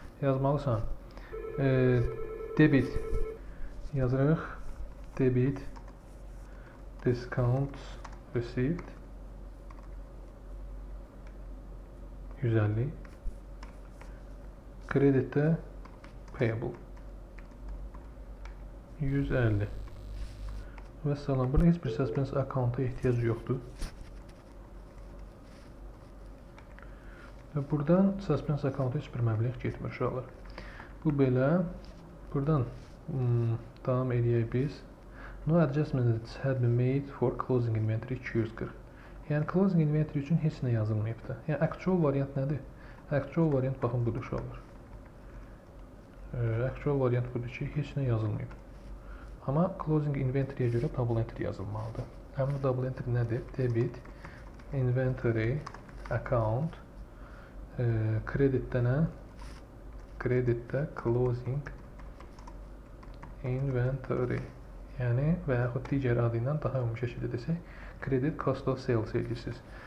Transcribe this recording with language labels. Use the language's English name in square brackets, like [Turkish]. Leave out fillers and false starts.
[Azerbaijani] Yazmalısan debit yazırıq, debit discount received 150, kredit də payable 150 və salam, burada heç bir suspense accounta ehtiyac yoxdur və buradan suspense accounta heç bir məbləğ getmir uşaqlar. Bu belə, buradan devam edəyək biz. [English] No adjustments had been made for closing inventory 240. [Azerbaijani] Yəni, closing inventory üçün heç nə yazılmayıb da. Yəni, actual variant nədir? Actual variant, baxın, budur uşaqlar. Actual variant budur ki, heç nə yazılmayıb. Amma closing inventory-ə görə double enter yazılmalıdır. Həmin double enter nədir? Debit, inventory, account, kredit dənə, kreditdə closing inventory, yəni və yaxud digər adı ilə daha ümumi şəkildə desək, kredit cost of sales edirsiniz.